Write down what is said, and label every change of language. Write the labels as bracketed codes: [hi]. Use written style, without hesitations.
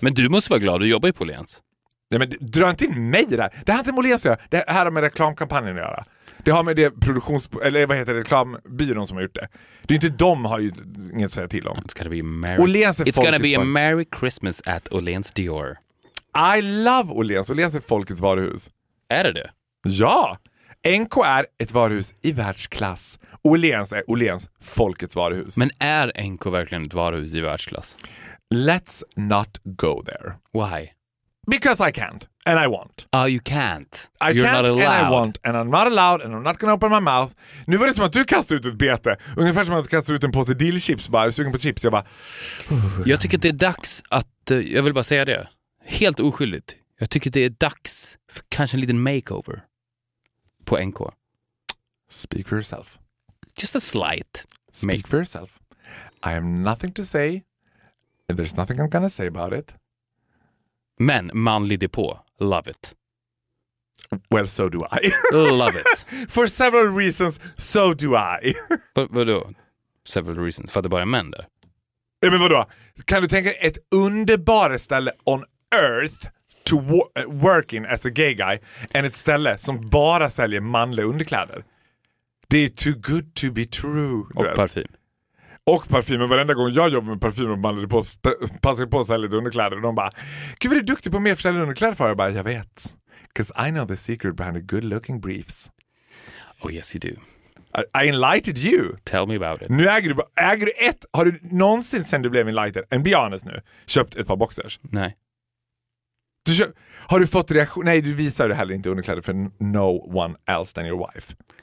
[sv] men du måste vara glad, du jobbar ju på Åhléns. Nej, men dra inte in mig där. Det här är inte med Åhléns att göra. Det här har med reklamkampanjen att göra. Det har med det produktions... Eller vad heter det? Reklambyrån som har gjort det. Det är inte de har ju inget att säga till om. [en] It's gonna be, it's gonna be a merry Christmas at Åhléns Dior. I love Åhléns. [sv] Åhléns är folkets varuhus. Är det det? Ja! NK är ett varuhus i världsklass. Åhléns är Åhléns folkets varuhus. Men är NK verkligen ett varuhus i världsklass? [en] Let's not go there. Why? Because I can't. And I won't. Oh, you can't. I You're can't not allowed. And I won't. And I'm not allowed. And I'm not gonna open my mouth. [sv] Nu var det som att du kastade ut ett bete. Ungefär som att du kastade ut en påse dillchips. Bara, sugen på chips. Jag bara... Jag tycker att det är dags att... Jag vill bara säga det. Helt oskyldigt. Jag tycker att det är dags för kanske en liten makeover. På NK. [en] Speak for yourself. Just a slight makeover. Speak for yourself. I have nothing to say. And there's nothing I'm gonna say about it. [sv] Men manlig depå. [en] Love it. Well, so do I. Love it. For several reasons, so do I. Vadå? Several reasons. [sv] För att det bara är män där. Men vadå? Kan du tänka ett underbart ställe [en] on earth to work in as a gay guy [sv] än ett ställe som bara säljer manliga underkläder. Det är [en] too good to be true. [sv] Och parfym. Och parfym. Men varenda gång jag jobbar med parfym och man passar på att sälja lite underkläder. Och de bara, gud vad du är duktig på mer försäljande underkläder för. Jag bara, jag vet. [en] Because I know the secret behind a good looking briefs. Oh yes you do. I enlightened you. Tell me about it. [sv] Nu äger du ett, har du någonsin sen du blev enlightened, [en] and be honest [sv] nu, köpt ett par boxers? Nej. Du köpt, har du fått reaktion? Nej, du visar det heller inte underkläder för [en] no one else than your wife.